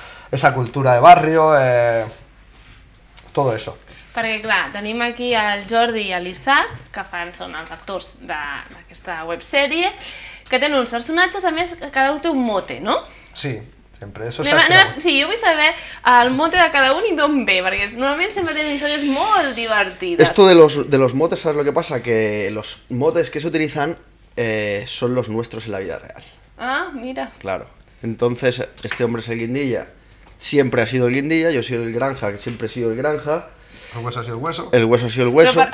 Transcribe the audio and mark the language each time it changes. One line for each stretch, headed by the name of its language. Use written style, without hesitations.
Spanish: esa cultura de barrio, todo eso.
Catalan: Perquè, clar, tenim aquí el Jordi i l'Isaac, que fan, són els actors d'aquesta websèrie, que tenen uns personatges, a més, cada un té un mote, no? Sí, sempre. Sí, jo vull saber el mote de cada un i d'on ve, perquè normalment sempre tenen històries molt divertides.
Spanish: Esto de los motes, ¿sabes lo que pasa? Que los motes que se utilizan son los nuestros en la vida real. Ah, mira. Claro. Entonces, este hombre es el Guindilla. Siempre ha sido el Guindilla, yo he sido el Granja, que siempre he sido el Granja. El Hueso ha sido el Hueso. El Hueso ha sido el Hueso.